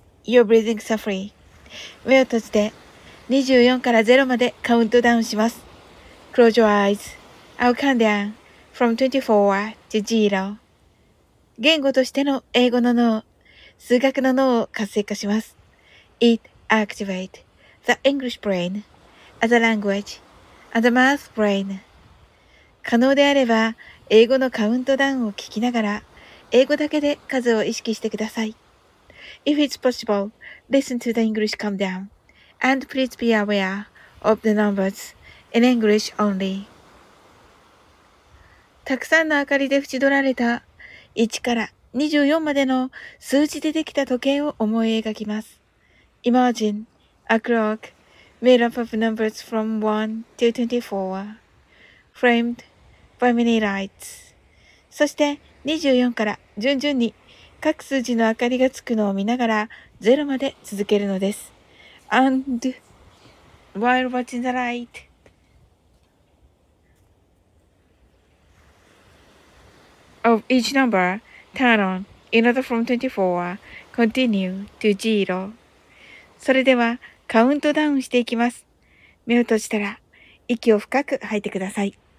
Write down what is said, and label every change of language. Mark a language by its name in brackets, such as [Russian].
[English] You're breathing so free. [Japanese] 目を閉じて24から0までカウントダウンします。 [English] Close your eyes. I'll count down from 24 to 0. [Japanese] 言語としての英語の脳、数学の脳を活性化します。 [English] It activates the English brain as a language. And the math brain. [Japanese] 可能であれば英語のカウントダウンを聞きながら英語だけで数を意識してください。 [English] If it's possible, listen to the English countdown and please be aware of the numbers in English only. [Japanese] たくさんの明かりで縁取られた1から24までの数字でできた時計を思い描きます。 [English] Imagine a clock. Made up of numbers from 1 to 24, framed by many lights. [Japanese] そして24から順々に各数字の明かりがつくのを見ながら0まで続けるのです。 [English] And while watching the light, of each number, turn on, in order from 24, continue to 0. [Japanese] それではカウントダウンしていきます。目を閉じたら、息を深く吐いてください。